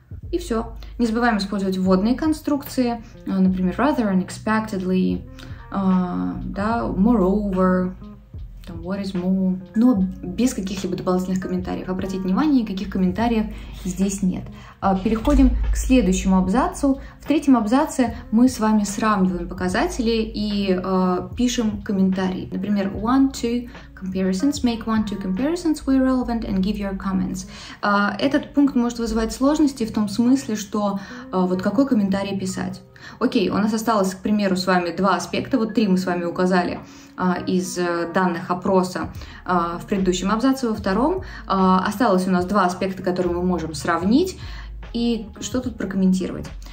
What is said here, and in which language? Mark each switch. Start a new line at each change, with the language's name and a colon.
Russian: И все. Не забываем использовать вводные конструкции, например,
English: rather unexpectedly,
Russian: да,
English: moreover,
Russian: там,
English: what is more,
Russian: но без каких-либо дополнительных комментариев. Обратите внимание, никаких комментариев здесь нет. Переходим к следующему абзацу. В третьем абзаце мы с вами сравниваем показатели и пишем комментарии. Например,
English: one-two comparisons, make one-two comparisons where relevant and give your comments.
Russian: Этот пункт может вызывать сложности в том смысле, что вот какой комментарий писать. Окей, у нас осталось, к примеру, с вами 2 аспекта, вот 3 мы с вами указали из данных опроса в предыдущем абзаце, во втором. Осталось у нас 2 аспекта, которые мы можем сравнить, и что тут прокомментировать.